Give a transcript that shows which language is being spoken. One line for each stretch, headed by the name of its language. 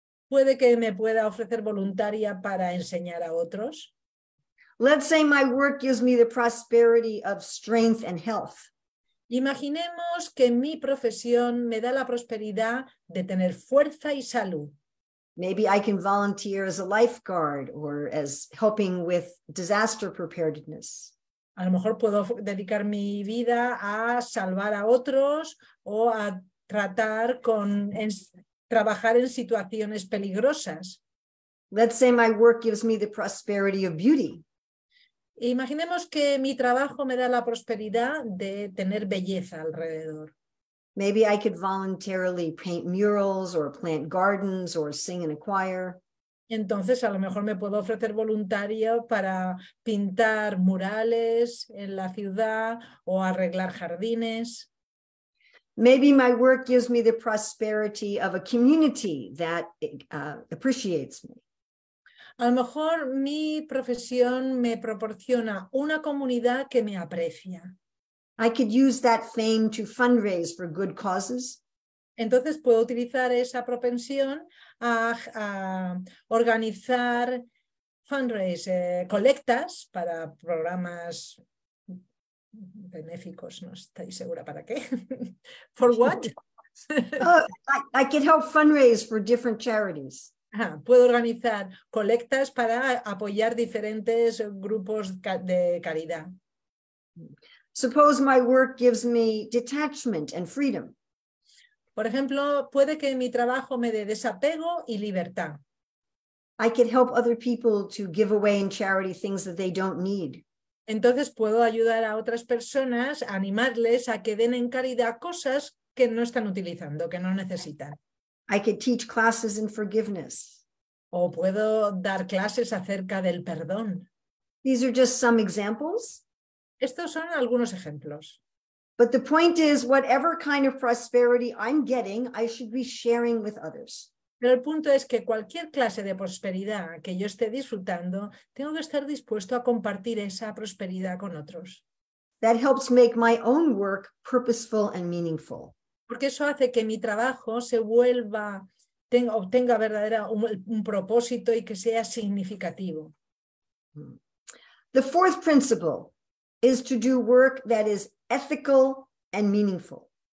Spanish: Puede que me pueda ofrecer voluntaria para enseñar a otros.
English: Let's say my work gives me the prosperity of strength and health.
Spanish: Imaginemos que mi profesión me da la prosperidad de tener fuerza y salud.
English: Maybe I can volunteer as a lifeguard or as helping with disaster preparedness.
Spanish: A lo mejor puedo dedicar mi vida a salvar a otros o a tratar con trabajar en situaciones peligrosas.
English: Let's say my work gives me the prosperity of beauty.
Spanish: Imaginemos que mi trabajo me da la prosperidad de tener belleza alrededor.
English: Maybe I could voluntarily paint murals or plant gardens or sing in a choir.
Spanish: Entonces, a lo mejor me puedo ofrecer voluntario para pintar murales en la ciudad o arreglar jardines.
English: Maybe my work gives me the prosperity of a community that appreciates me.
Spanish: A lo mejor mi profesión me proporciona una comunidad que me aprecia.
English: I could use that fame to fundraise for good causes.
Spanish: Entonces puedo utilizar esa propensión a organizar fundraise, colectas para programas benéficos, no estoy segura para qué.
English: For what? I could help fundraise for different charities.
Spanish: Puedo organizar colectas para apoyar diferentes grupos de caridad.
English: Suppose my work gives me detachment and freedom.
Spanish: Por ejemplo, puede que mi trabajo me dé desapego y libertad.
English: I could help other people to give away in charity things that they don't need.
Spanish: Entonces puedo ayudar a otras personas, animarles a que den en caridad cosas que no están utilizando, que no necesitan.
English: I could teach classes in forgiveness.
Spanish: O puedo dar clases acerca del perdón.
English: These are just some examples.
Spanish: Estos son algunos ejemplos.
English: But the point is, whatever kind of prosperity I'm getting, I should be sharing with others.
Spanish: Pero el punto es que cualquier clase de prosperidad que yo esté disfrutando, tengo que estar dispuesto a compartir esa prosperidad con otros.
English: That helps make my own work purposeful and meaningful.
Spanish: Porque eso hace que mi trabajo obtenga un propósito y que sea significativo.
English: The fourth principle is to do work that is ethical and meaningful.